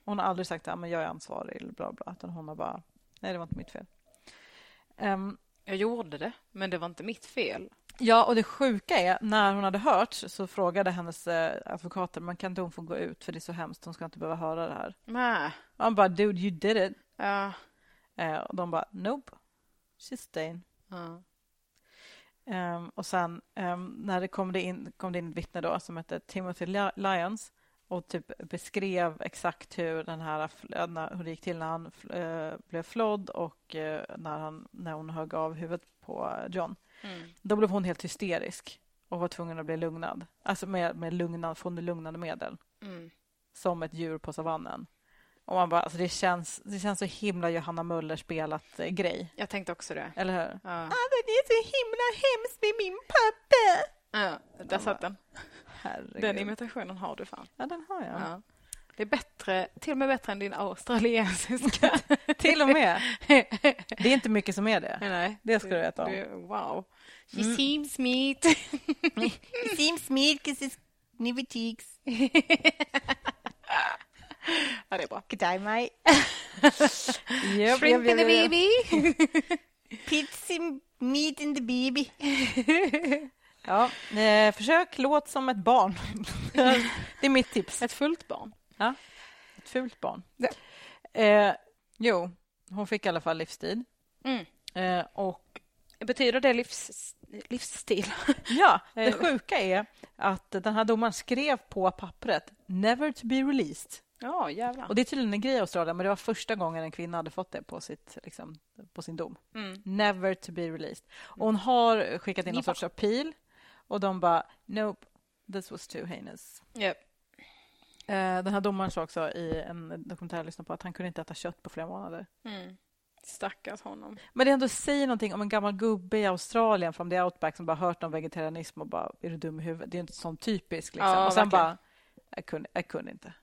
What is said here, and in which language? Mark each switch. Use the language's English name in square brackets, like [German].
[Swedish] Hon har aldrig sagt att jag är ansvarig eller bla bla, utan hon har bara, nej det var inte mitt fel. Jag gjorde det, men det var inte mitt fel. Ja, och det sjuka är, när hon hade hört så frågade hennes advokater, man kan inte hon få gå ut för det är så hemskt, hon ska inte behöva höra det här. Nej. Han bara, [English] dude, you did it. [Swedish] Ja. Och de bara, [English] nope, she's staying. [Swedish] Ja. Och sen när det kom det in ett vittne då som hette Timothy Lyons och typ beskrev exakt hur den här hur det gick till när han blev flodd och när hon högg av huvudet på John. Då blev hon helt hysterisk och var tvungen att bli lugnad. Alltså med lugnande medel. Som ett djur på savannen. Och man bara, alltså det känns så himla Johanna Möller spelat grej. Jag tänkte också det. Eller hur? Ja. Ah, det är så himla hemskt med min pappa. Ja, där satt den. Herregud. Den imitationen har du fan. Ja, den har jag. Ja. Det är bättre, till och med bättre än din australiensiska. Till och med. Det är inte mycket som är det. Nej. Det ska du veta om. [English] Wow. She seems meat. She seems meat because it's new cheeks. [Swedish] Ja, det är bra. [English] Good day, mate. Yep, shrimp in the baby. Pizza meat in the baby. [Swedish] Ja, försök låt som ett barn. Det är mitt tips. Ett fullt barn. Ja, ett fullt barn. Ja. Hon fick i alla fall livstid. Och betyder det livsstil? Ja, det sjuka är att den här domaren skrev på pappret [English] never to be released. [Swedish] Ja, oh, jävlar. Och det är tydligen en grej i Australien, men det var första gången en kvinna hade fått det på sitt, liksom, på sin dom. [English] Never to be released. [Swedish] Och hon har skickat in någon sorts appeal. Och de bara, [English] nope, this was too heinous. Yep. [Swedish] Den här domaren sa också i en dokumentär jag lyssnade på att han kunde inte äta kött på flera månader. Stackars honom. Men det ändå säger någonting om en gammal gubbe i Australien från The Outback som bara hört om vegetarianism och bara, är du dum i huvudet? Det är inte sån typisk. Liksom. Ja, och sen verkligen. bara, jag kunde inte.